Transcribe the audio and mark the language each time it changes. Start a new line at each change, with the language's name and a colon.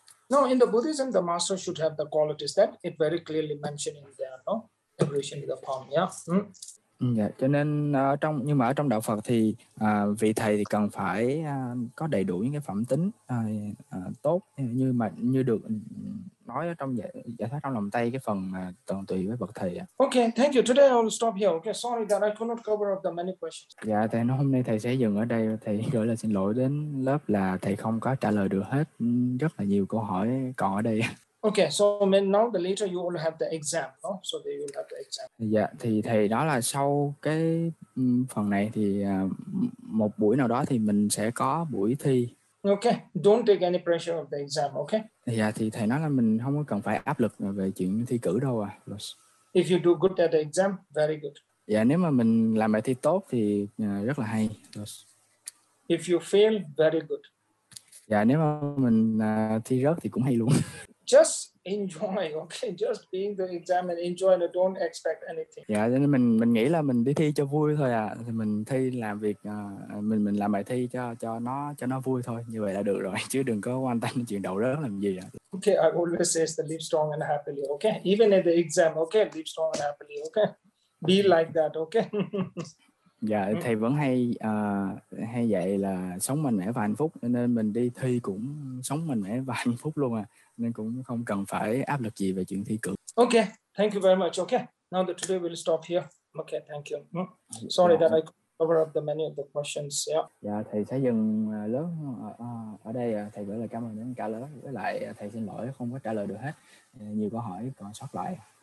English: No, in the Buddhism, the master should have the qualities that it very clearly mentioned in there, no? In relation to the palm, yeah. Mm.
Vietnamese: Dạ, cho nên trong nhưng mà ở trong đạo Phật thì vị thầy thì cần phải có đầy đủ những cái phẩm tính tốt như mà như được nói ở trong giải thoát trong lòng tay cái phần toàn tùy với bậc thầy.
English: Okay, thank you. Today I'll stop here. Okay, sorry that I could not cover up the many questions.
Vietnamese: Dạ, thầy nói hôm nay thầy sẽ dừng ở đây. Thầy gửi lời xin lỗi đến lớp là thầy không có trả lời được hết rất là nhiều câu hỏi còn ở đây.
English: Okay, so then now the later you will have the exam, no? So they will have the exam.
Vietnamese: Dạ, thì thầy đó là sau cái phần này thì một buổi nào đó thì mình sẽ có buổi thi.
English: Okay, don't take any pressure of the exam, okay?
Vietnamese: Dạ, thì thầy nói là mình không có cần phải áp lực về chuyện thi cử đâu à.
English: If you do good at the exam, very good.
Vietnamese: Dạ, nếu mà mình làm bài thi tốt thì rất là hay.
English: If you fail, very good.
Vietnamese: Dạ, nếu mà mình thi rớt thì cũng hay luôn.
English: Just enjoy, okay? Just being the exam and enjoy and don't expect anything.
Vietnamese: Dạ, cho nên mình nghĩ là mình đi thi cho vui thôi à. Thì mình thi làm việc, mình làm bài thi cho nó vui thôi. Như vậy là được rồi. Chứ đừng có quan tâm chuyện đậu rớt làm gì à.
English: Okay, I always say that live strong and happily, okay? Even at the exam, okay? Live strong and happily, okay? Be like that, okay?
Vietnamese: Dạ, thầy vẫn hay dạy là sống mạnh mẽ và hạnh phúc. Nên mình đi thi cũng sống mạnh mẽ và hạnh phúc luôn à. Nên cũng không cần phải áp lực gì về chuyện thi cử.
English: Okay, thank you very much. Okay, now that today we'll stop here. Okay, thank you. Sorry dạ. That I cover up the many of the questions. Yeah.
Vietnamese: Dạ, thầy sẽ dừng lớp ở đây. Thầy gửi lời cảm ơn đến cả lớp. Với lại thầy xin lỗi không có trả lời được hết. Nhiều câu hỏi còn sót lại.